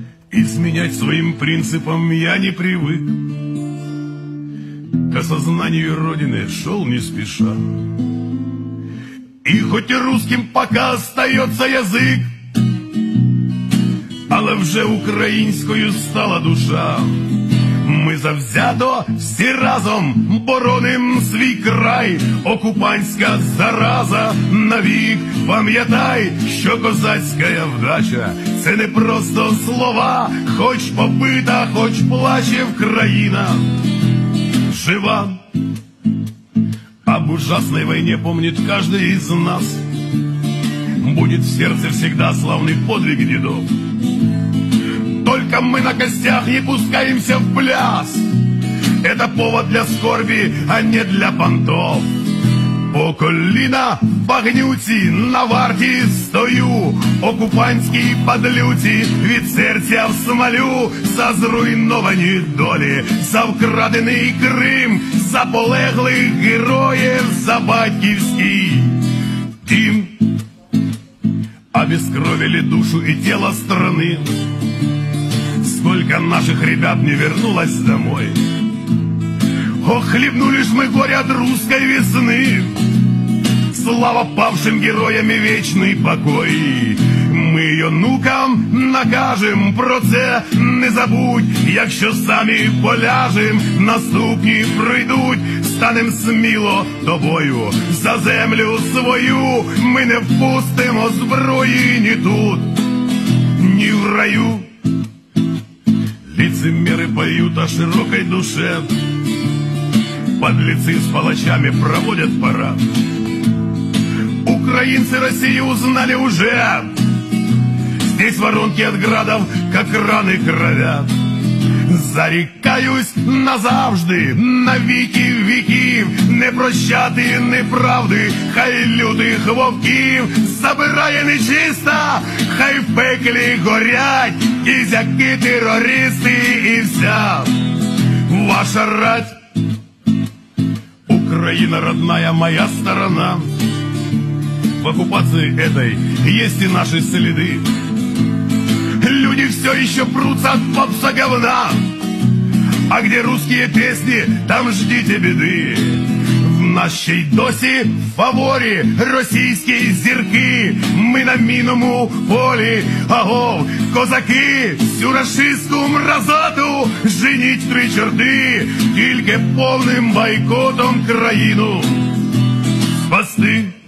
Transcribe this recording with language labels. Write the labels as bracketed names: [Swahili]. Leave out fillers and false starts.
[Russian] изменять своим принципам я не привык. К осознанию Родины шел не спеша, и хоть и русским пока остается язык, [Ukrainian] але вже українською стала душа. Ми завзято всі разом боронім свій край. Окупанська зараза навік, пам'ятай, що козацька вдача – це не просто слова, хоч побита, хоч плаче Україна жива. [Russian] Об ужасной войне помнит каждый из нас, будет в сердце всегда славный подвиг дедов. Только мы на костях не пускаемся в пляс, это повод для скорби, а не для понтов. [Ukrainian] По коліна в огнюці на варті стою, окупантський подлюці від серця в смолю. За зруйновані долі, за вкрадений Крим, за полеглих героїв, за батьківський дім. [Russian] Обескровили душу і тіло страны, сколько наших ребят не вернулось домой. Ох, хлебнули ж мы горе от русской весны, слава павшим героям и вечный покой. Мы ее нукам накажем, [Ukrainian] про це не забудь, якщо сами поляжем, наступні прийдуть. Станем сміло тобою за землю свою, мы не впустимо зброї ні тут, ні в раю. [Russian] Лицемеры поют о широкой душе, подлецы с палачами проводят парад. Украинцы Россию узнали уже, здесь воронки от градов, как раны кровят. [Ukrainian] Зарікаюсь назавжди, на віки віків, не прощати неправди, хай лютих вовків забирає нечиста, хай в пеклі горять кізяки терористи і вся ваша рать. [Russian] Україна родная, моя сторона, в окупації этой есть и наши следы. Люди все еще прутся от попса говна, а где русские песни, там ждите беды. [Ukrainian] В нашей досі в фаворі російські зірки, ми на мінному полі, аго, козаки. Всю рашистську мразоту женіть три чорти, тільки повним бойкотом країну спасти.